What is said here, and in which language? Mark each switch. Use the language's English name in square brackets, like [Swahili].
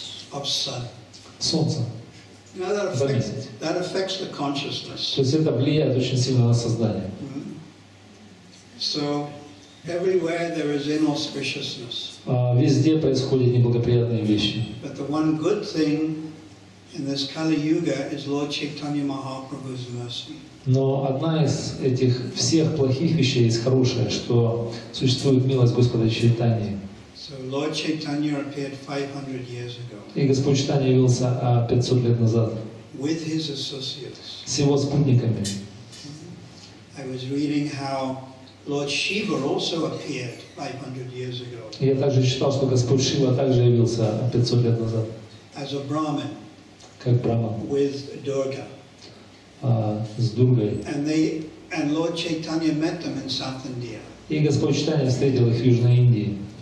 [English] of sun. [Russian] Солнца. [English] Now that affects, that affects the consciousness. [Russian] То есть это влияет очень сильно на сознание. [English] So everywhere there is inauspiciousness. [Russian] Везде происходят неблагоприятные вещи. [English] But the one good thing in this Kali Yuga is Lord Chaitanya Mahaprabhu's mercy. [Russian] Но одна из этих всех плохих вещей есть хорошая, что существует милость Господа Чайтаньи. [English] So Lord Chaitanya appeared 500 years ago. [Russian] И Господь Чайтанья явился 500 лет назад. [English] With his associates. [Russian] С его спутниками. [English] I was reading how Lord Shiva also appeared 500 years ago. [Russian] Я также читал, что Господь Шива также явился 500 лет назад. [English] As a Brahmin. [Russian] Как Брахман. [English] With Durga. [Russian] С Дургой. [English] And Lord Chaitanya met them in South India. [Russian] И Господь Чайтанья встретил их в Южной Индии.